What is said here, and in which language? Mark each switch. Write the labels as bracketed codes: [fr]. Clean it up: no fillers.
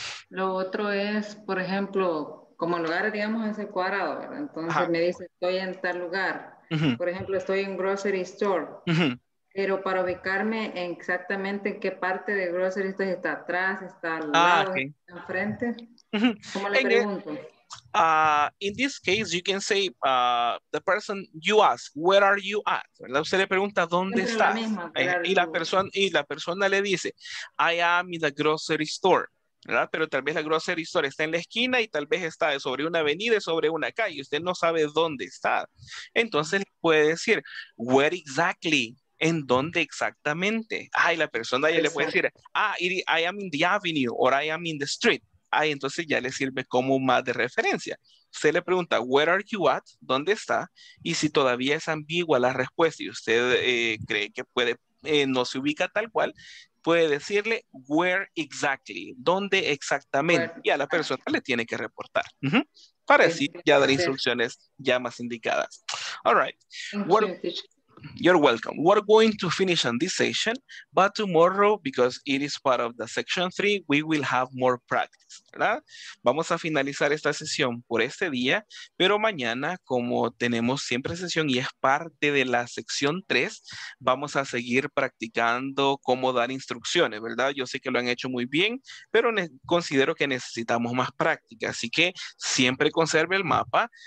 [es] Lo otro es, por ejemplo, como lugar, digamos, ese cuadrado, ¿verdad? Entonces me dice, estoy en tal lugar. Por ejemplo, estoy en grocery store. Pero para ubicarme en exactamente en qué parte de grocery store, está atrás, está al lado, está enfrente. ¿Cómo le pregunto? [en] In this case, you can say the person you ask, where are you at? [es] ¿Verdad? Usted le pregunta dónde estás. La persona le dice, [en] I am in the grocery store. [es] ¿Verdad? Pero tal vez la grocery store está en la esquina y tal vez está sobre una avenida, sobre una calle. Usted no sabe dónde está. Entonces puede decir, [en] where exactly, [es] en dónde exactamente. Ay, la persona ya le puede decir, [en] I am in the avenue or I am in the street. [es] Ay, entonces ya le sirve como más de referencia. Usted le pregunta, [en] where are you at, [es] dónde está. Y si todavía es ambigua la respuesta y usted cree que puede, no se ubica tal cual, puede decirle [en] where exactly, [es] dónde exactamente, y a la persona le tiene que reportar. Para así ya dar instrucciones ya más indicadas. [en] All right. You're welcome. We're going to finish on this session, but tomorrow, because it is part of the section 3, we will have more practice, [es] ¿verdad? Vamos a finalizar esta sesión por este día, pero mañana, como tenemos siempre sesión y es parte de la sección 3, vamos a seguir practicando cómo dar instrucciones, ¿verdad? Yo sé que lo han hecho muy bien, pero considero que necesitamos más práctica, así que siempre conserve el mapa.